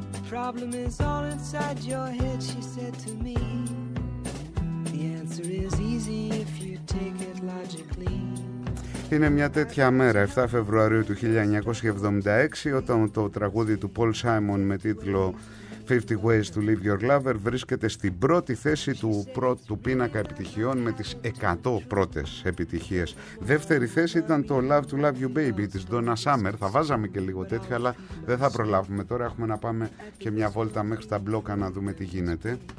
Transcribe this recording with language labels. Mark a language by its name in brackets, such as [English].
[English] Problem is all inside your head, she said to me. The answer is easy if you take it logically. [Greek] Είναι μια τέτοια μέρα, 7 Φεβρουαρίου του 1976, όταν το τραγούδι του Paul Simon με τίτλο 50 Ways to Leave Your Lover βρίσκεται στην πρώτη θέση του πρώτου πίνακα επιτυχιών με τις 100 πρώτες επιτυχίες. Δεύτερη θέση ήταν το Love to Love You Baby της Donna Summer. Θα βάζαμε και λίγο τέτοιο, αλλά δεν θα προλάβουμε τώρα. Έχουμε να πάμε και μια βόλτα μέχρι τα μπλόκα να δούμε τι γίνεται.